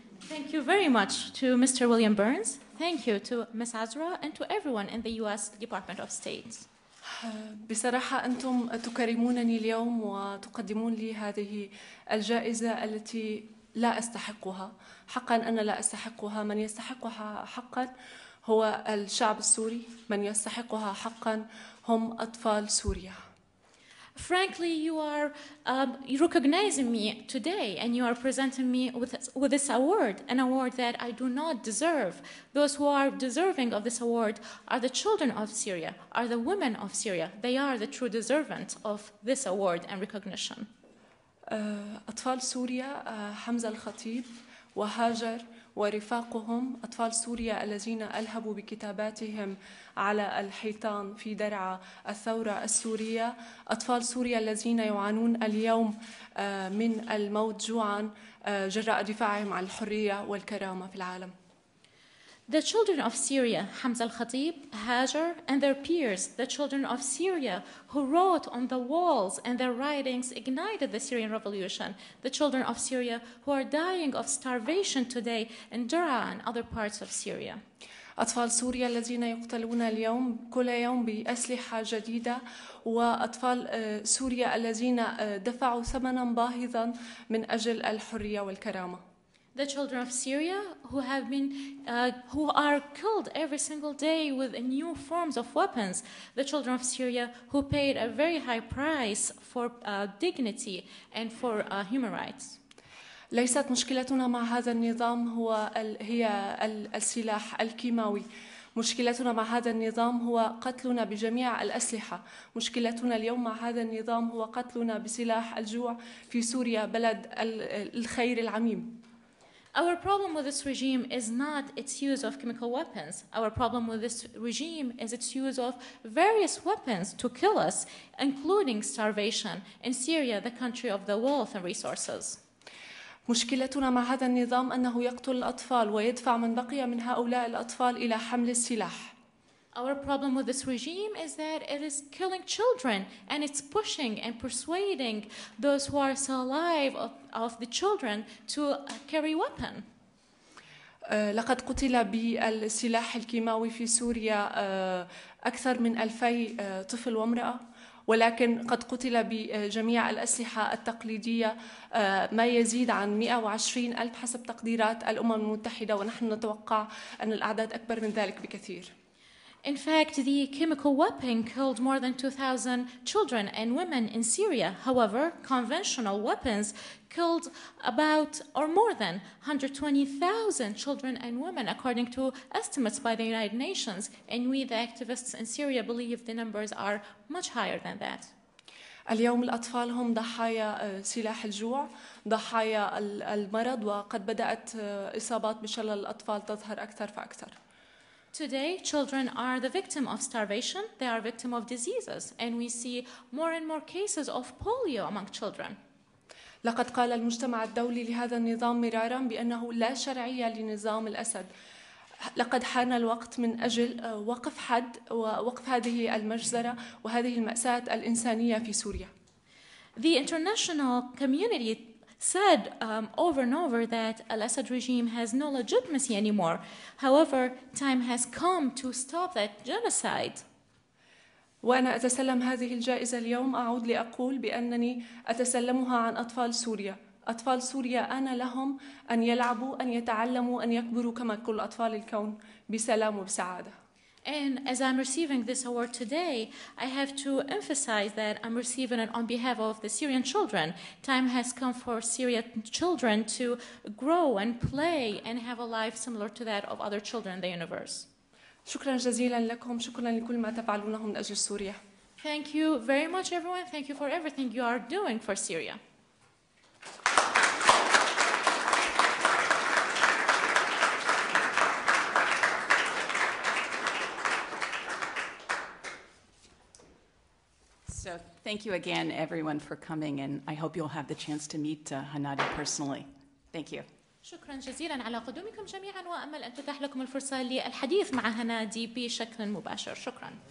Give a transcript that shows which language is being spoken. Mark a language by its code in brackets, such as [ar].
[en] Thank you very much to Mr. William Burns. Thank you to Ms. Azra and to everyone in the U.S. Department of State. [ar] بصراحة أنتم تكرمونني اليوم وتقدمون لي هذه الجائزة التي لا أستحقها. حقا أنا لا أستحقها. من يستحقها حقا هو الشعب السوري. من يستحقها حقا هم أطفال سوريا. [en] Frankly, you are recognizing me today and you are presenting me with this award, an award that I do not deserve. Those who are deserving of this award are the children of Syria, are the women of Syria. They are the true deservants of this award and recognition. [ar] أطفال سوريا, حمزة الخطيب وهاجر ورفاقهم, أطفال سوريا الذين ألهبوا بكتاباتهم على الحيطان في درعا الثورة السورية, أطفال سوريا الذين يعانون اليوم من الموت جوعا جراء دفاعهم عن الحرية والكرامة في العالم. [en] The children of Syria, Hamza al-Khatib, Hajar, and their peers, the children of Syria who wrote on the walls and their writings ignited the Syrian revolution, the children of Syria who are dying of starvation today in Daraa and other parts of Syria. [ar] أطفال سوريا الذين يقتلون اليوم كل يوم بأسلحة جديدة وأطفال سوريا الذين دفعوا ثمنا باهظا من أجل الحرية والكرامة. [en] The children of Syria who have been, who are killed every single day with new forms of weapons. The children of Syria who paid a very high price for dignity and for human rights. [ar] ليست مشكلتنا مع هذا النظام هو هي السلاح الكيماوي. مشكلتنا مع هذا النظام هو قتلنا بجميع الأسلحة. مشكلتنا اليوم مع هذا النظام هو قتلنا بسلاح الجوع في سوريا بلد الخير العميم. [en] Our problem with this regime is not its use of chemical weapons. Our problem with this regime is its use of various weapons to kill us, including starvation in Syria, the country of the wealth and resources. [ar] مشكلتنا مع هذا النظام أنه يقتل الأطفال ويدفع من بقي من هؤلاء الأطفال إلى حمل السلاح. [en] Our problem with this regime is that it is killing children and it's pushing and persuading those who are still alive of the children to carry weapon. [ar] لقد قتل بالسلاح الكيماوي في سوريا أكثر من 2000 طفل وامرأة, ولكن قد قتل بجميع الأسلحة التقليدية ما يزيد عن 120 ألف حسب تقديرات الأمم المتحدة, ونحن نتوقع أن الأعداد أكبر من ذلك بكثير. [en] In fact, the chemical weapon killed more than 2,000 children and women in Syria. However, conventional weapons killed about or more than 120,000 children and women, according to estimates by the United Nations. And we, the activists in Syria, believe the numbers are much higher than that. [ar] اليوم الأطفال هم ضحايا سلاح الجوع, ضحايا المرض, وقد بدأت إصابات بشلل الأطفال تظهر أكثر فأكثر. [en] Today, children are the victim of starvation. They are victim of diseases. And we see more and more cases of polio among children. [ar] لقد قال المجتمع الدولي لهذا النظام مرارا بأنه لا شرعية لنظام الأسد. لقد حان الوقت من أجل وقف حد ووقف هذه المجزرة وهذه المأساة الإنسانية في سوريا. [en] The international community said over and over that Al-Assad regime has no legitimacy anymore. However, time has come to stop that genocide. [ar] وأنا أتسلم هذه الجائزة اليوم أعود لأقول بأنني أتسلمها عن أطفال سوريا. أطفال سوريا أنا لهم أن يلعبوا, أن يتعلموا, أن يكبروا كما كل أطفال الكون بسلام وبسعادة. [en] And as I'm receiving this award today, I have to emphasize that I'm receiving it on behalf of the Syrian children. Time has come for Syrian children to grow and play and have a life similar to that of other children in the universe. [ar] شكرا جزيلا لكم, شكرا لكل ما تفعلونه من أجل سوريا. [en] Thank you very much, everyone. Thank you for everything you are doing for Syria. Thank you again, everyone, for coming, and I hope you'll have the chance to meet Hanadi personally. Thank you. [ar] شكرا جزيلا على قدومكم جميعا وأمل أن تتاح لكم الفرصة للحديث مع هنادي بشكل مباشر. شكرا.